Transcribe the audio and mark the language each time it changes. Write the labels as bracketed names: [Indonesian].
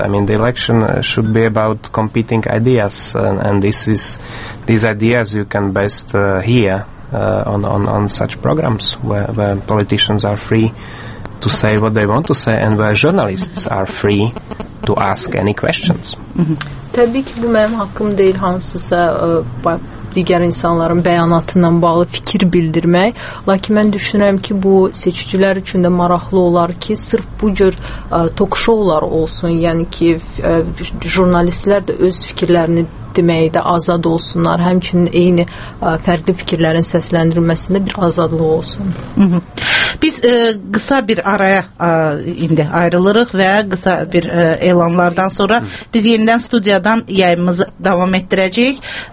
[English] I mean, the election should be about competing ideas, and this is these ideas you can best hear on such programs where politicians are free to say what they want to say and where journalists are free to ask any questions. [Azerbaijani] Tabii ki bu benim hakkım değil hansısa diğer insanların beyanatından bağlı fikir bildirmek. Lakin ben düşünürüm ki bu seçiciler için de maraqlı olar ki sırf bu cür talk show'lar olsun. Yani ki jurnalistler de öz fikirlerini deməyi də azad olsunlar, həmçinin eyni fərqli fikirlərin səsləndirilməsində bir azadlıq olsun. Biz qısa bir araya indi ayrılırıq və qısa bir elanlardan sonra biz yenidən studiyadan yayımızı davam etdirəcəyik.